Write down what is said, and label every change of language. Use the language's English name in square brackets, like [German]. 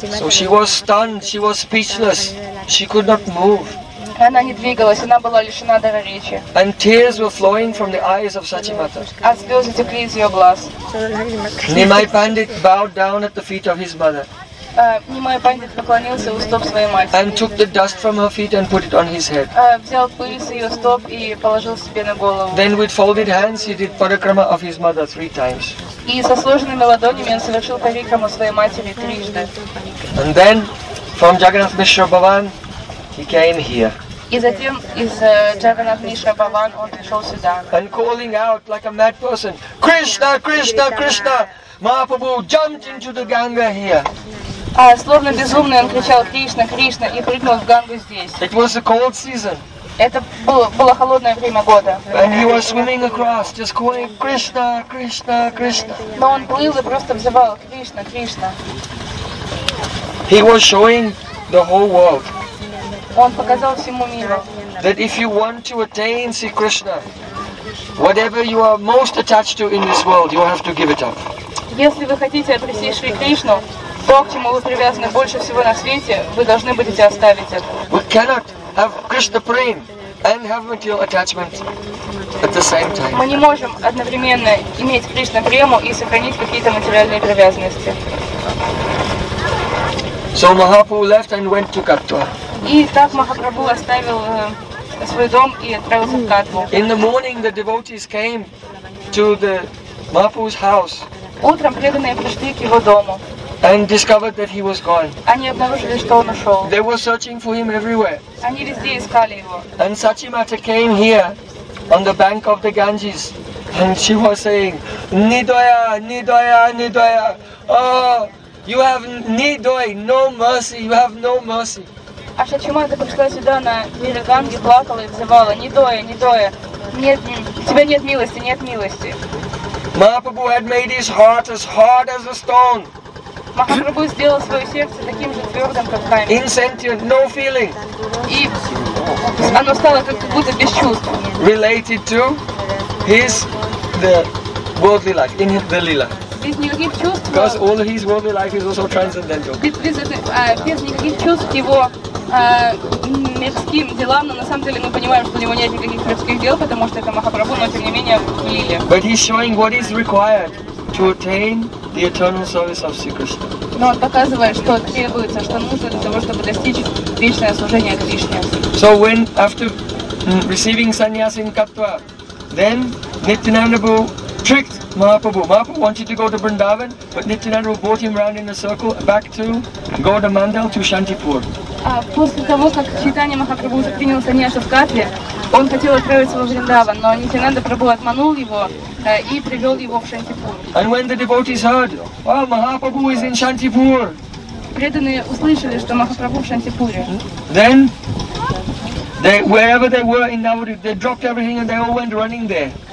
[English] So she was stunned, she was speechless, she could not move. [Russian] Она не двигалась, она была лишена дара речи. [English] And tears were flowing from the eyes of Satyamata. [Russian] А слезы текли из ее глаз. [English] Nimai Pandit bowed down at the feet of his mother. [Russian] Nimai Pandit поклонился у стоп своей матери. [English] And took the dust from her feet and put it on his head. [Russian] Взял пыль с ее стоп и положил себе на голову. [English] Then with folded hands he did Parikrama of his mother three times. [Russian] И со сложенными ладонями он совершил Парикраму своей матери трижды. [English] And then from Jagannath Mishra Bhavan he came here. [Russian] И затем из Джаганнатха Мишра Бхаван он пришел сюда. [English] And calling out like a mad person, Krishna, Krishna, Krishna, Mahaprabhu jumped into the Ganga here. [Russian] А словно безумный он кричал Кришна, Кришна и прыгнул в Гангу здесь. [English] It was a cold season. [Russian] Это было холодное время года. [English] And he was swimming across, just calling Krishna, Krishna, Krishna. [Russian] Но он плыл и просто взывал Кришна, Кришна. [English] He was showing the whole world. [Russian] Он показал всему миру. [English] That if you want to attain Sri Krishna, whatever you are most attached to in this world, you have to give it up. [Russian] Если вы хотите обрести Шри Кришну, то, к чему вы привязаны больше всего на свете, вы должны будете оставить это. [English] We cannot have Krishna Prem and have material attachment at the same time. [Russian] Мы не можем одновременно иметь Кришна Прему и сохранить какие-то материальные привязанности. [English] So Mahaprabhu left and went to Katwa. [Russian] И так Махапрабху оставил свой дом и отправился в Катву. [English] In the morning the devotees came to the Mahaprabhu's house. [Russian] Утром преданные пришли к его дому. [English] And discovered that he was gone. [Russian] Они обнаружили, что он ушел. [English] They were searching for him everywhere. [Russian] Они везде искали его. [English] And Satyamata came here on the bank of the Ganges. And she was saying, Nirdoya, Nirdoya, Nirdoya. Oh, you have Nirdoy, no mercy, you have no mercy. [Russian] А Сатимата пришла сюда на берег Ганги, плакала и взывала, Нидоя, Нидоя, нет, у тебя нет милости, нет милости. [English] Mahaprabhu had made his heart as hard as a stone. [Russian] Махапрабху сделал свое сердце таким же твердым, как камень. [English] Insentient, no feeling. [Russian] И оно стало как будто без чувств. [English] Related to his the worldly life, in the lila. [Russian] Без никаких чувств. [English] Because all his worldly life is also transcendental. [Russian] Без никаких чувств его мирским делам, но на самом деле мы понимаем, что у него нет никаких мирских дел, потому что это Махапрабху, но тем не менее в лиле. [English] But he's showing what is required to attain the eternal service of Sri Krishna. [Russian] Но он показывает, что требуется, что нужно для того, чтобы достичь вечное служение Кришне. [English] So when after receiving sannyas in Katwa, then Nityananda Prabhu tricked Mahaprabhu. Mahaprabhu wanted to go to Vrindavan, but Nityananda Prabhu brought him round in a circle back to Gauda Mandal to Shantipur. [Russian] После того, как Чайтанья Махапрабху уже принял саньяса в Катве, он хотел отправиться во Вриндаван, но Нитянанда Прабху отманул его и привел его в Шантипур. [English] And when the devotees heard, well, Mahaprabhu is in Shantipur. [Russian] Преданные услышали, что Махапрабху в Шантипуре. [English] Then they, wherever they were in Navadvip, they dropped everything and they all went running there.